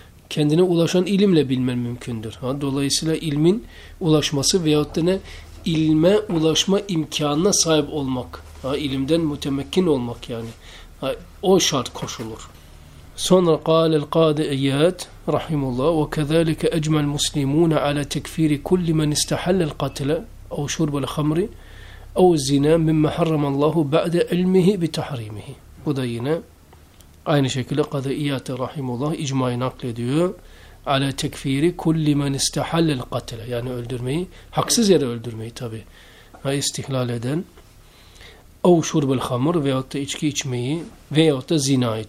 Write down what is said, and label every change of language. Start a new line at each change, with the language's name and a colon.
Turkish: Kendine ulaşan ilimle bilmen mümkündür. Ha, dolayısıyla ilmin ulaşması veyahut da ne? İlme ulaşma imkanına sahip olmak. Ha, ilimden mütemekkin olmak yani. Ha, o şart koşulur.
Arabic: Sonra قال القاضي إياد رحمه الله وكذلك أجمع المسلمون على تكفير كل من استحل القتل أو شرب الخمر أو الزنا مما حرم الله بعد علمه بتحريمه.
Turkish: Bu da yine aynı şekilde قاضي إياد
Arabic: رحمه الله
Turkish: icmayı naklediyor.
Arabic: على تكفير كل من استحل القتل
Turkish: yani öldürmeyi haksız yere öldürmeyi tabi istihlal eden
Arabic: او شرب الخمر
Turkish: veyahut da içki içmeyi veyahut da zinayı.